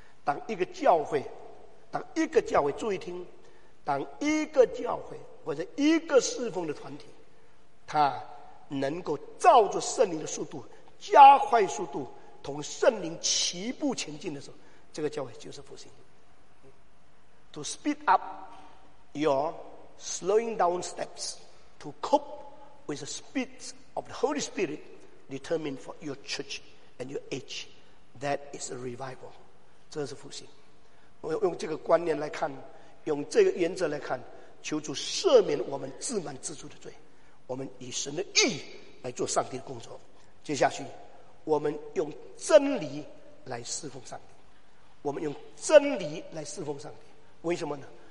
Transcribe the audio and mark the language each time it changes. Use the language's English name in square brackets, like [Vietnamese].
[Chinese] 当一个教会，当一个教会，注意听，当一个教会或者一个侍奉的团体，他能够照着圣灵的速度加快速度，同圣灵齐步前进的时候，这个教会就是复兴。 [English] To speed up your slowing down steps to cope with the speed of the Holy Spirit determined for your church and your age, that is a revival， [Chinese] 这是复兴。我用这个观念来看，用这个原则来看，求主赦免我们自满自足的罪，我们以神的义来做上帝的工作。接下去我们用真理来侍奉上帝，我们用真理来侍奉上帝。为什么呢？